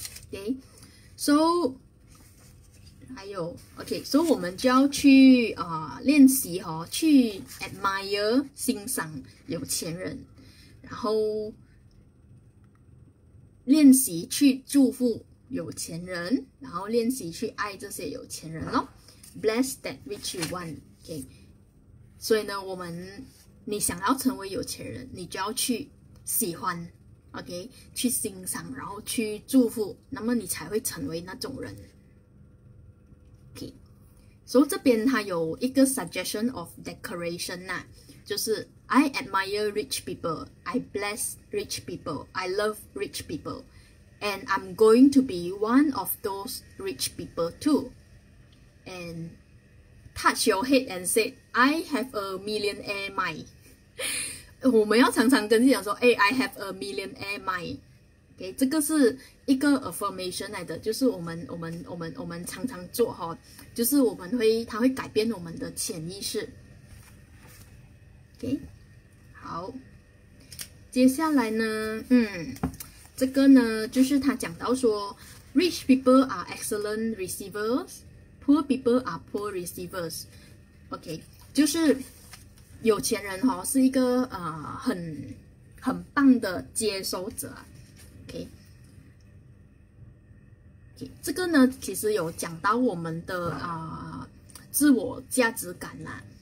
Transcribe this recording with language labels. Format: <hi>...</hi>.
<zh>OK，so，还有 OK，so 我们就要去练习哈，去 admire 欣赏有钱人，然后练习去祝福有钱人，然后练习去爱这些有钱人咯。</zh> <en>Bless that which you want, OK。</en> <zh>所以呢，你想要成为有钱人，你就要去喜欢，OK，去欣赏，然后去祝福，那么你才会成为那种人。所以这边它有一个 suggestion of decoration 呐，就是</zh> <en>I admire rich people, I bless rich people, I love rich people。 And I'm going to be one of those rich people too. And touch your head and say, I have a millionaire mind.</en> <zh>我们要常常跟自己讲说，哎，</zh> <en>I have a millionaire mind.</en> <zh>这个是一个 affirmation 来的，就是我们常常做哈，就是我们会，它会改变我们的潜意识。 OK，好，接下来呢，这个呢，就是他讲到说，</zh> <en>rich people are excellent receivers，poor people are poor receivers。</en> <zh>OK，就是有钱人哈，是一个很棒的接收者。 OK，这个呢，其实有讲到我们的自我价值感啦。</zh>